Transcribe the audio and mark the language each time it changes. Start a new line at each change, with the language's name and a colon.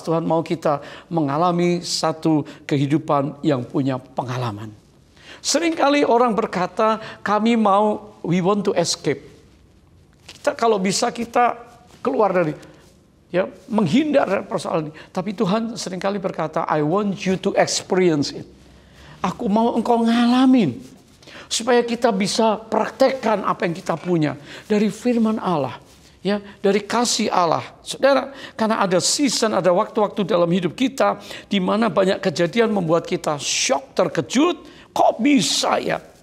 Indonesian: Tuhan mau kita mengalami satu kehidupan yang punya pengalaman. Seringkali orang berkata, kami mau,
English: we want to escape.
Indonesian: Kita kalau bisa kita keluar dari, ya, menghindar dari persoalan ini. Tapi Tuhan seringkali berkata,
English: I want you to experience it.
Indonesian: Aku mau engkau ngalamin. Supaya kita bisa praktekkan apa yang kita punya dari firman Allah, ya, dari kasih Allah. Saudara, karena ada season, ada waktu-waktu dalam hidup kita di mana banyak kejadian membuat kita shock, terkejut, kok bisa ya?